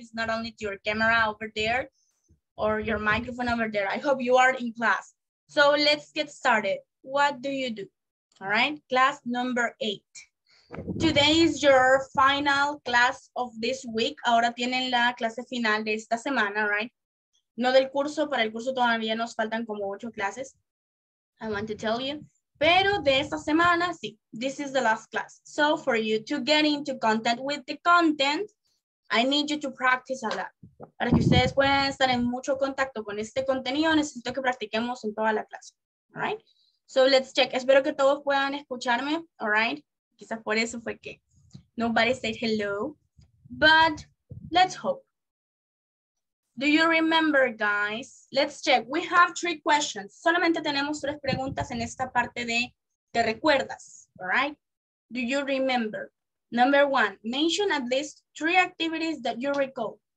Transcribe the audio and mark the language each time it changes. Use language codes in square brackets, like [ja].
[en] It's not only your camera over there or your microphone over there. I hope you are in class. So let's get started. What do you do? All right, class number 8. Today is your final class of this week. [es] Ahora tienen la clase final de esta semana, [en] all right? [es] No del curso, para el curso todavía nos faltan como 8 clases. [en] I want to tell you. [es] Pero de esta semana, sí, [en] this is the last class. So for you to get into contact with the content, I need you to practice a lot. [es] Para que ustedes puedan estar en mucho contacto con este contenido, necesito que practiquemos en toda la clase. [en] All right? So let's check. [es] Espero que todos puedan escucharme. [en] All right? [es] Quizás por eso fue que [en] nobody said hello. But let's hope. Do you remember, guys? Let's check. We have 3 questions. [es] Solamente tenemos 3 preguntas en esta parte de ¿te recuerdas? [en] All right? Do you remember? Number 1, mention at least 3 activities that you recall.